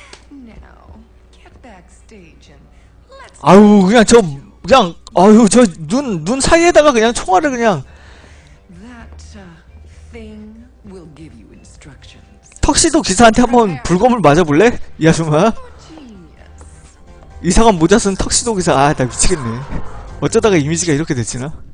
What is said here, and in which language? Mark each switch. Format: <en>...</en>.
<en>Now, get backstage and let's.</en> <ko>아유, 그냥 아유, 저 눈 사이에다가 그냥 총알을 그냥.</ko> <en>That thing will give you instructions.</en> <ko>턱시도 기사한테 한번 불검을 맞아볼래? 이 아줌마. 이상한 모자 쓴 턱시도 기사. 아, 나 미치겠네. 어쩌다가 이미지가 이렇게 됐지나?</ko>